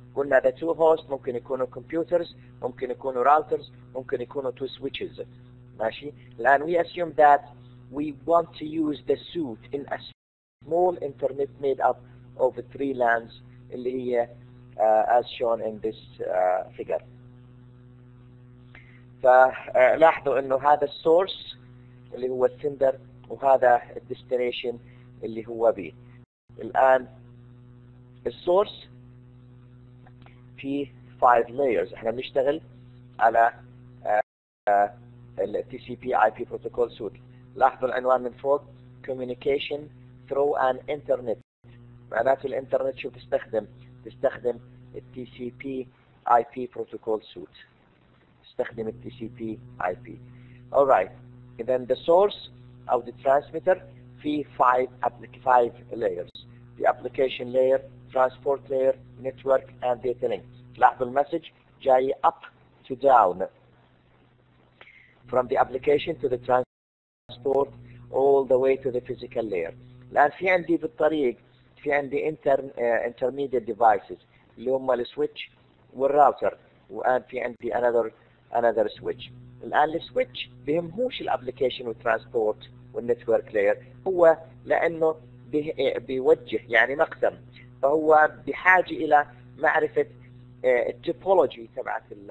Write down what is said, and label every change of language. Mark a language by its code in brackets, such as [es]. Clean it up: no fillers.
[ar] قلنا [en] the two hosts [ar] ممكن يكونوا computers, ممكن يكونوا routers, ممكن يكونوا [en] two switches. [ar] ماشي؟ لأن [en] we assume that we want to use the suite in a small internet made up of three LANs [ar] اللي هي [en] as shown in this figure. [ar] فلاحظوا إنه هذا source اللي هو sender وهذا destination اللي هو B. الآن السورس في 5 layers احنا بنشتغل على ال TCP/IP protocol suite. لاحظوا العنوان من فوق [en] communication through an internet. [ar] معناته الانترنت شو بتستخدم؟ تستخدم ال TCP/IP protocol suite. استخدم ال [en] TCP/IP. Alright. Then the source of the transmitter في 5 layers. The application layer, transport layer, network, and data link. [ar] لاحظ المسج جاي [en] up to down. From the application to the transport all the way to the physical layer. [ar] لأن في عندي بالطريق في عندي [en] intermediate devices [ar] اللي هم السويتش والراوتر والآن في عندي [en] another switch. [ar] الآن السويتش بيهمهوش الابليكيشن والترانسبورت والنتورك لاير هو لأنه بيوجه يعني مقسم فهو بحاجة إلى معرفة التوبولوجي تبعت